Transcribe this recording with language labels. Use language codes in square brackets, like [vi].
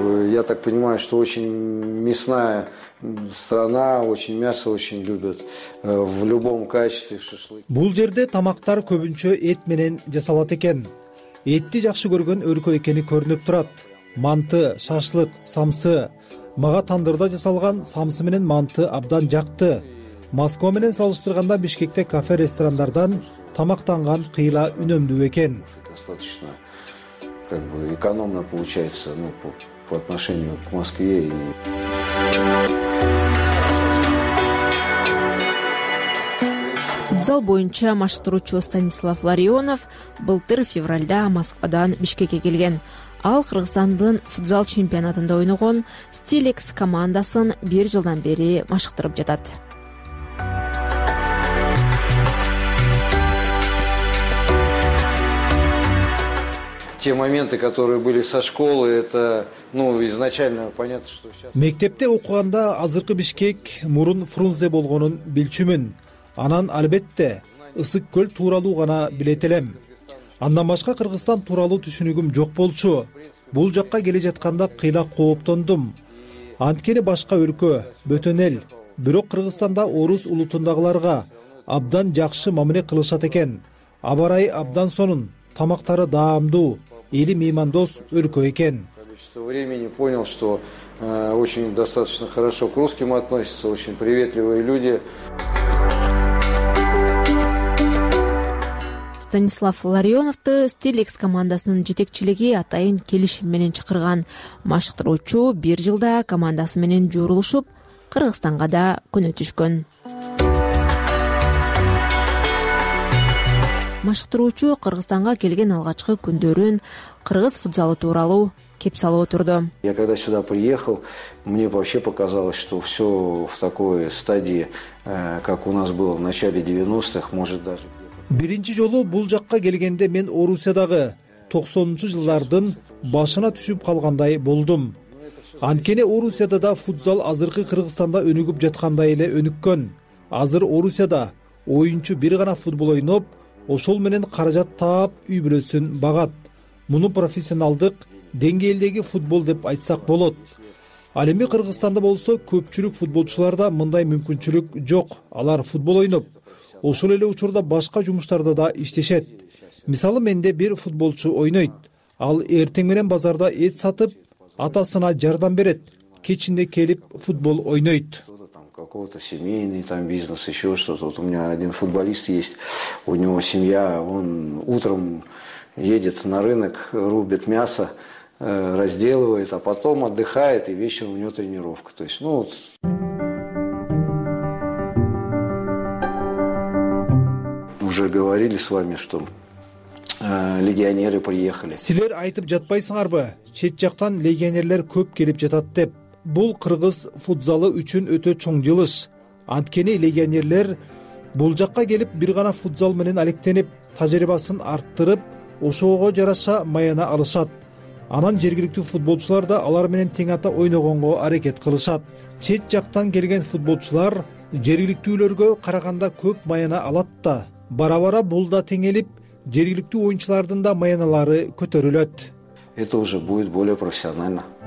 [ru] Я так понимаю, что очень мясная страна, очень мясо очень любят в любом качестве шашлык. [ky] Бул жерде тамактар көбүнчө эт менен жасалат экен. Этти жакшы көргөн өлкө экени көрүнүп турат. Манты, шашлык, самсы. Мага тандырда жасалган самсы менен манты абдан жакты. Москва менен салыштырганда Бишкекте кафе ресторандардан тамактанган кыйла үнөмдүү экен. [ru] Достаточно экономно получается, по отношению к Москве. [ky] Футзал вокзал боюнча маштыруучу Станислав Ларионов былтыр февральда Москвадан Бишкекке келген. Ал Кыргызстандын футзал чемпионатында ойногон Стиликс командасын бир жылдан бери машыктырып жатат. [ru] Те моменты, которые были со школы, это, ну, изначально понятно, что сейчас. [ky] Мектепте окуганда азыркы Бишкек мурун Фрунзе болгонун билчүмүн. Анан албетте Ысык Көл тууралуу гана билет элем. Андан башка Кыргызстан тууралуу түшүнүгүм жок болчу. Бул жакка келе жатканда кыйлак кооптондум. Анткени башка өлкө, бөтөн эл, бирок Кыргызстанда орус улутундагыларга абдан жакшы мамиле кылышат экен. Абарай абдан сонун, тамактары даамдуу, эли меймандос өлкө экен. [ru] Времени понял, что очень достаточно хорошо к русским относятся, очень приветливые люди. [ky] Станислав Ларионовту Стиликс командасынын жетекчилиги атайын келишим менен чакырган. Машыктыруучу бир жылда командасы менен жоорулушуп, Кыргызстанга да көнөтүшкөн. Машыктыруучу Кыргызстанга келген алгачкы күндөрүн кыргыз футзалы тууралуу кеп салып отурду. Я когда сюда приехал, мне вообще показалось, что все в такой стадии, как у нас было в начале 90-х, может даже. Биринчи жолу бул жакка келгенде мен Орусиядагы 90-жылдардын башына түшүп калгандай болдум. Анткени Орусияда да футзал азыркы Кыргызстанда өнүгүп жаткандай эле өнүккөн. Азыр Орусияда оюнчу бир гана футбол ойноп, ошол менен каражат таап үй бүлөсүн багат. Муну профессионалдык деңгээлдеги футбол деп айтсак болот. Ал эми Кыргызстанда болсо көпчүлүк футболчуларда мындай мүмкүнчүлүк жок. Алар футбол ойноп, ошол эле учурда башка жумуштарда да иштешет. Мисалы, менде бир футболчу ойнойт. Ал эртең менен базарда эт сатып, атасына жардам берет. Кечинде келип футбол ойнойт. [ru] Какого-то семейный там бизнес, еще что-то. Вот у меня один футболист есть, у него семья, он утром едет на рынок, рубит мясо, разделывает, а потом отдыхает, и вечером у него тренировка. То есть, ну вот. Уже говорили с вами, что легионеры приехали. [ky] Силер айтып жатпайсыңарбы? Чет жактан легионерлер көп келип жатат деп. Бул кыргыз футзалы үчүн өтө чоң жылыш. Анткени легионерлер бул жакка келип бир гана футзал менен алектенип, тажрыйбасын арттырып, ошого жараша маяна алышат. Анан жергиликтүү футболчулар да алар менен тең ата ойногонго аракет кылышат. Чет жактан келген футболчулар жергиликтүүлөргө караганда көп маяна алат да. Бара-бара бул да теңелип, жергиликтүү оюнчулардын да маянылары көтөрүлөт. [ru] Это уже будет более профессионально.